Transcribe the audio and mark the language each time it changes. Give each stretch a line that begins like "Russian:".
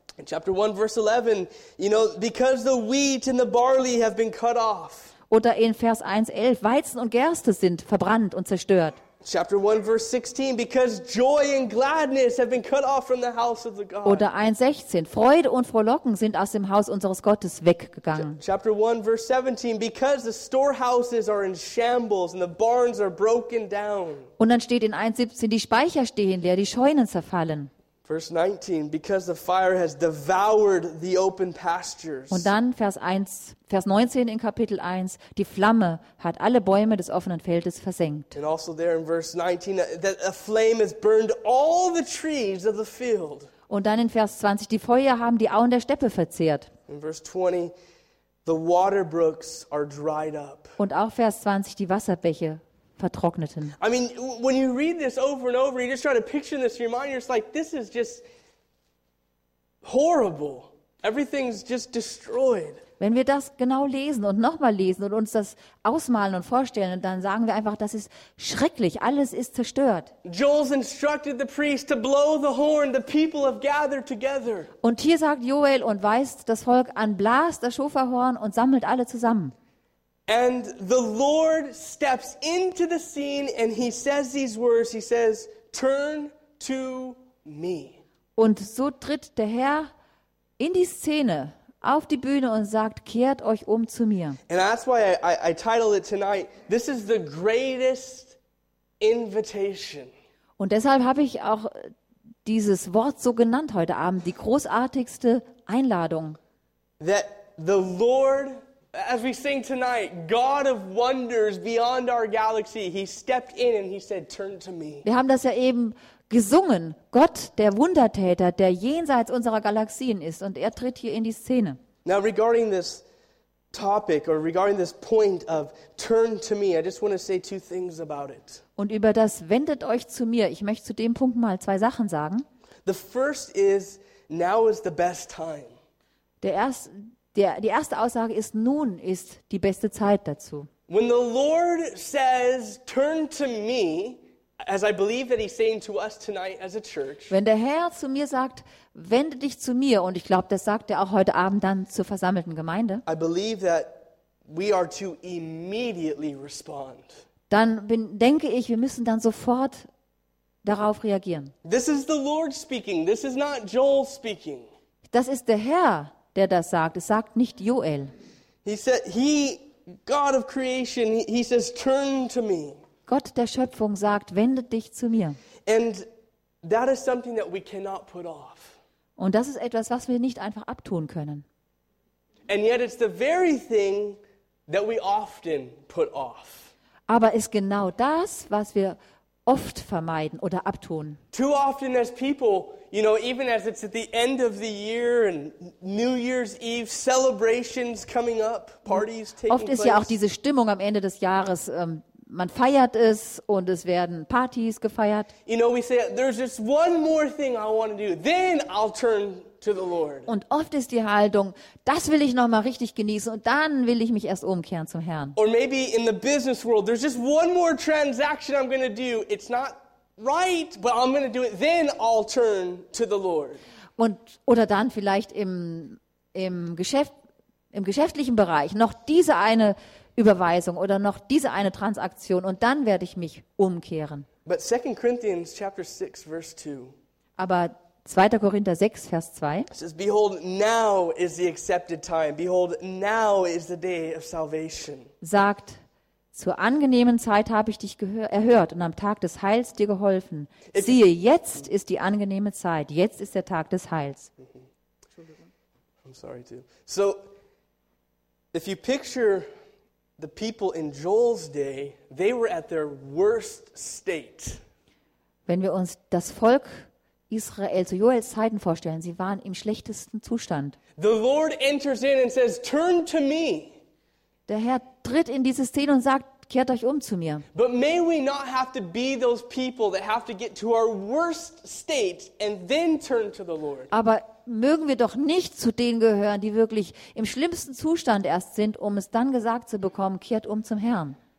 English: In Chapter 1, verse 11, you know, because the wheat and the barley have been cut off.
German: Oder in Vers 1:11, Weizen und Gerste sind verbrannt und zerstört.
English: Chapter 1 verse 16, because joy and gladness have been cut off from the house of the God.
German: Oder 1:16, Freude und Frohlocken sind aus dem Haus unseres Gottes weggegangen.
English: Chapter 1 verse 17, because the storehouses are in shambles and the barns are broken down.
German: Und dann steht in 1:17, die Speicher stehen leer, die Scheunen zerfallen.
English: Verse 19, because the fire has devoured the open pastures.
German: Und dann Vers 19 in Kapitel 1, die Flamme hat alle Bäume des offenen Feldes versenkt.
English: And also there in verse 19, that a flame has burned all the trees of the field.
German: Und dann in Vers 20, die Feuer haben die Auen der Steppe verzehrt.
English: In verse 20, the water brooks are dried up.
German: Und auch Vers 20, die Wasserbäche vertrockneten.
English: I mean, when you read this over and over, you just try to picture this in your mind, you're just like, this is just horrible. Everything's just destroyed.
German: Wenn wir das genau lesen und nochmal lesen und uns das ausmalen und vorstellen, dann sagen wir einfach, das ist schrecklich, alles ist zerstört.
English: Joel's instructed the priest to blow the horn, the people have gathered together.
German: Und hier sagt Joel und weist das Volk an, blast das Schofarhorn und sammelt alle zusammen.
English: And the Lord steps into the scene and he says these words. He says, turn to me.
German: Und so tritt der Herr in die Szene auf die Bühne und sagt, kehrt euch um zu mir.
English: And that's why I titled it tonight, this is the greatest invitation.
German: Und deshalb habe ich auch dieses Wort so genannt heute Abend, die großartigste Einladung.
English: That the Lord, as we sing tonight, God of wonders beyond our galaxy, he stepped in and he said, turn to me.
German: Wir haben das ja eben gesungen, Gott, der Wundertäter, der jenseits unserer Galaxien ist, und er tritt hier in die Szene.
English: Now regarding this topic or regarding this point of turn to me, I just want to say two things about it.
German: Und über das wendet euch zu mir, ich möchte zu dem Punkt mal zwei Sachen sagen.
English: The first is, now is the best time.
German: Die erste Aussage ist, nun ist die beste Zeit dazu.
English: When the Lord says, turn to me, as I believe that he's saying to us tonight as a church.
German: Wenn der Herr zu mir sagt, wende dich zu mir, und ich glaube, das sagt er auch heute Abend dann zur versammelten Gemeinde.
English: I believe that we are to immediately respond.
German: Denke ich, wir müssen dann sofort darauf reagieren.
English: This is the Lord speaking. This is not Joel speaking.
German: Das ist der Herr, der das sagt. Es sagt nicht Joel.
English: He said, he God of creation, he says turn to me.
German: Gott der Schöpfung sagt, wende dich zu mir.
English: And that is something that we cannot put off.
German: Und das ist etwas, was wir nicht einfach abtun können.
English: And yet it's the very thing that we often put off.
German: Aber es ist genau das, was wir oft vermeiden oder abtun.
English: Too often as people, you know, even as it's at the end of the year and New Year's Eve celebrations coming up, parties taking place.
German: Oft ist ja auch diese Stimmung am Ende des Jahres, man feiert es und es werden Partys gefeiert.
English: You know, we say, there's just one more thing I want to do, then I'll turn to the Lord.
German: Und oft ist die Haltung, das will ich noch mal richtig genießen und dann will ich mich erst umkehren zum Herrn.
English: Or maybe in the business world, there's just one more transaction I'm going to do. It's not right, but I'm going to do it, then I'll turn to the Lord.
German: Und oder dann vielleicht im geschäftlichen Bereich noch diese eine Überweisung oder noch diese eine Transaktion und dann werde ich mich umkehren.
English: But 2 Corinthians chapter 6 verse 2.
German: Aber 2. Korinther 6 Vers 2.
English: It says, behold, now is the accepted time. Behold, now is the day of salvation.
German: Sagt, zur angenehmen Zeit habe ich dich erhört und am Tag des Heils dir geholfen. Siehe, jetzt ist die angenehme Zeit. Jetzt ist der Tag des Heils.
English: I'm sorry too. So, if you picture the people in Joel's day, they were at their worst state.
German: Wenn wir uns das Volk Israel zu Joels Zeiten vorstellen, sie waren im schlechtesten Zustand.
English: The Lord enters in and says, turn to me.
German: Der Herr tritt in diese Szene und sagt, kehrt euch um zu mir.
English: But may we not have to be those people that have to get to our worst state and then turn to the Lord.
German: Aber mögen wir doch nicht zu denen gehören, die wirklich im schlimmsten Zustand erst sind, um es dann gesagt zu bekommen, kehrt um zum Herrn.